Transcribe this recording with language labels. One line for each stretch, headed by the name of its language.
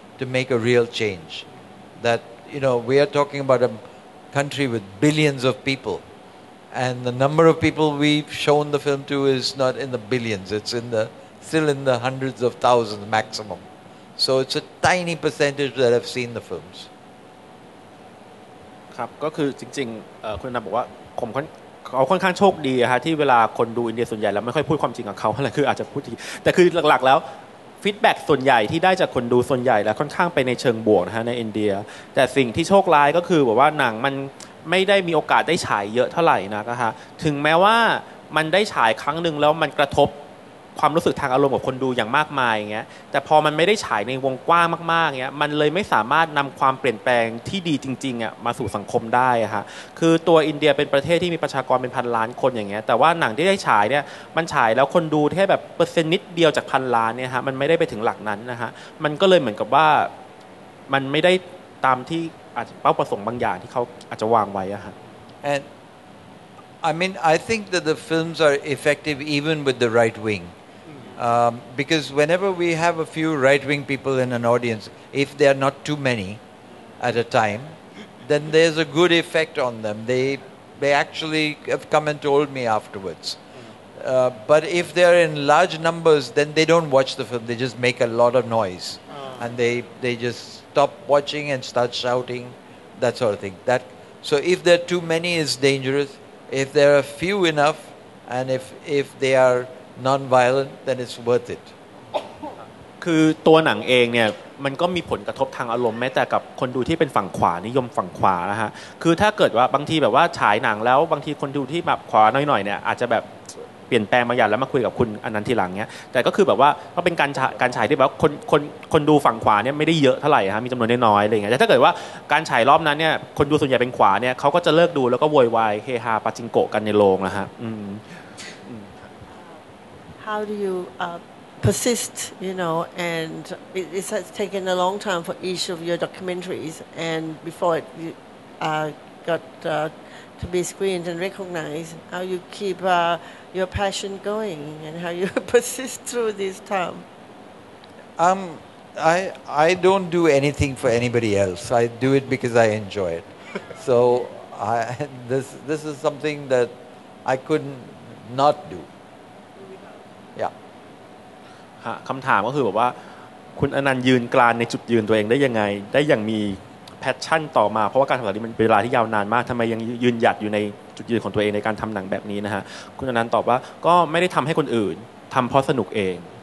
English: To make a real change, that you know, we are talking about a country with billions of people, and the number of people we've shown the film to is not in the billions; it's still in the hundreds of thousands maximum. So it's a tiny percentage that have seen the films.
Thai: ครับก็คือจริงๆคุณนับบอกว่าผมค่อนข้างโชคดีฮะที่เวลาคนดูอินเดียส่วนใหญ่แล้วไม่ค่อยพูดความจริงกับเขาอะไรคืออาจจะพูดที่แต่คือหลักๆแล้วฟีดแบ็กส่วนใหญ่ที่ได้จากคนดูส่วนใหญ่แล้วค่อนข้างไปในเชิงบวกนะฮะในอินเดียแต่สิ่งที่โชคร้ายก็คือแบบว่าหนังมันไม่ได้มีโอกาสได้ฉายเยอะเท่าไหร่นะฮะถึงแม้ว่ามันได้ฉายครั้งนึงแล้วมันกระทบ ความรู้สึกทางอารมณ์ของคนดูอย่างมากมายอย่างเงี้ยแต่พอมันไม่ได้ฉายในวงกว้างมากๆอย่างเงี้ยมันเลยไม่สามารถนำความเปลี่ยนแปลงที่ดีจริงๆอ่ะมาสู่สังคมได้ฮะคือตัวอินเดียเป็นประเทศที่มีประชากรเป็นพันล้านคนอย่างเงี้ยแต่ว่าหนังที่ได้ฉายเนี่ยมันฉายแล้วคนดูแค่แบบเปอร์เซ็นต์นิดเดียวจากพันล้านเนี่ยฮะมันไม่ได้ไปถึงหลักนั้นนะฮะมันก็เลยเหมือนกับว่ามันไม่ได้ตามที่อาจจะเป้าประสงค์บางอย่างที่เขาอาจจะวางไว้อ่ะฮะ
English: And I mean I think that the films are effective even with the right wingbecause whenever we have a few right-wing people in an audience, if they are not too many at a time, then there's a good effect on them. They actually have come and told me afterwards. But if they're in large numbers, then they don't watch the film. They just make a lot of noise. And they just stop watching and start shouting, that sort of thing. So if there are too many, it's dangerous. If there are few enough, and if they are... non-violent then it's worth it
Thai: คือตัวหนังเองเนี่ยมันก็มีผลกระทบทางอารมณ์แม้แต่กับคนดูที่เป็นฝั่งขวานิยมฝั่งขวานะฮะคือถ้าเกิดว่าบางทีแบบว่าฉายหนังแล้วบางทีคนดูที่แบบขวาหน่อยๆเนี่ยอาจจะแบบเปลี่ยนแปลงบางอย่างแล้วมาคุยกับคุณอนันต์ทีหลังเงี้ยแต่ก็คือแบบว่าก็เป็นการฉายที่แบบคนดูฝั่งขวาเนี่ยไม่ได้เยอะเท่าไหร่ฮะมีจํานวนน้อยๆอะไรอย่างเงี้ยแต่ถ้าเกิดว่าการฉายรอบนั้นเนี่ยคนดูส่วนใหญ่เป็นขวาเนี่ยเค้าก็จะเลิกดูแล้วก็โวยวายเฮฮาปาจิงโกะกันในโรงนะฮะ
English: How do you persist, you know, and it has taken a long time for each of your documentaries and before it got to be screened and recognized, how you keep your passion going and how you persist through this time? I don't do anything for anybody else. I do it because I enjoy it. So this is something that I couldn't not do.
Thai: คำถามก็คือแบบว่าคุณอนันต์ยืนกรานในจุดยืนตัวเองได้ยังไงได้อย่างมีแพชชั่นต่อมาเพราะว่าการทำหนังนี้มันเป็นเวลาที่ยาวนานมากทำไมยังยืนหยัดอยู่ในจุดยืนของตัวเองในการทำหนังแบบนี้นะฮะคุณอนันต์ตอบว่าก็ไม่ได้ทำให้คนอื่นทำเพราะสนุกเอง